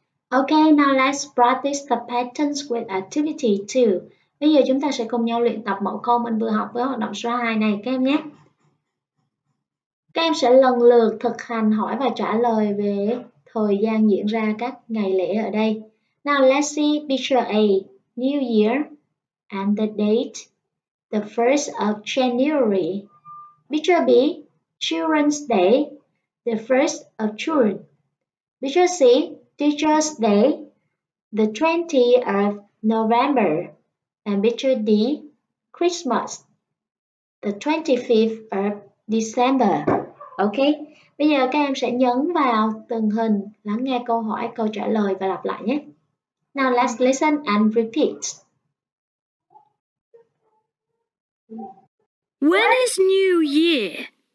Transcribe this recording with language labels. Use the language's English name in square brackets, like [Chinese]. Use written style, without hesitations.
[English] Ok, now let's practice the patterns with activity 2. [Vietnamese] Bây giờ chúng ta sẽ cùng nhau luyện tập mẫu câu mình vừa học với hoạt động số 2 này các em nhé. Các em sẽ lần lượt thực hành hỏi và trả lời về thời gian diễn ra các ngày lễ ở đây. [English] Now let's see picture A, New Year, and the date, the 1st of January. Picture B, Children's Day, the 1st of June. Picture C, Teacher's Day, the 20th of November. And picture D, Christmas, the 25th of December. [Vietnamese] Ok, bây giờ các em sẽ nhấn vào từng hình, lắng nghe câu hỏi, câu trả lời và lặp lại nhé. [English] Now let's listen and repeat. When is New Year?